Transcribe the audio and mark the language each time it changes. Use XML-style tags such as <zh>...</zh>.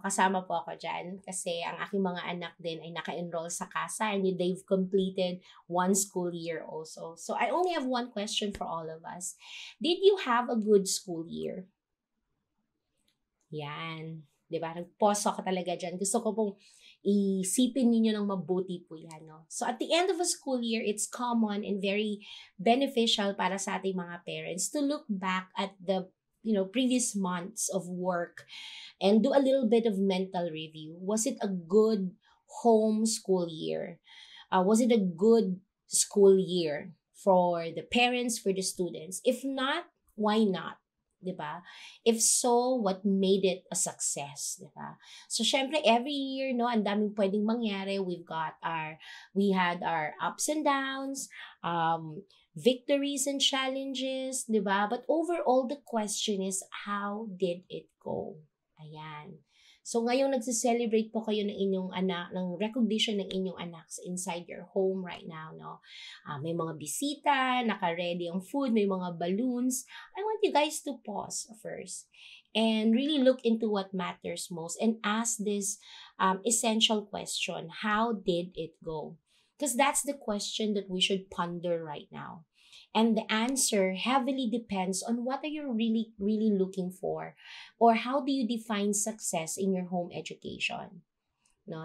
<tl>Kasama po ako dyan kasi ang aking mga anak din ay naka-enroll sa CASA</tl> <en>and they've completed one school year also. So I only have one question for all of us. Did you have a good school year?</en> <tl>Yan. Diba? Nag-pause ako talaga dyan. Gusto ko pong isipin ninyo ng mabuti po yan. No?</tl> <en>So at the end of a school year, it's common and very beneficial</en> <tl>para sa ating mga</tl> <en>parents to look back at the previous months of work and do a little bit of mental review. Was it a good home school year? Was it a good school year for the parents, for the students? If not, why not?</en> <tl>Diba?</tl> <en>If so, what made it a success? Diba?</en> <tl>So, syempre, every year, no, ang daming pwedeng mangyari.</tl> <en>We had our ups and downs, victories and challenges,</en> <tl>diba?</tl> <en>But overall, the question is, how did it go?</en> <tl>Ayan. So, ngayon, nagsiselebrate po kayo ng inyong anak, ng recognition ng inyong anak</tl> <en>inside your home right now,</en> <tl>no? May mga bisita, naka-ready ang food, may mga balloons.</tl> <en>I want you guys to pause first and really look into what matters most and ask this essential question, how did it go? Because that's the question that we should ponder right now. And the answer heavily depends on what are you really, really looking for or how do you define success in your home education. No?</en>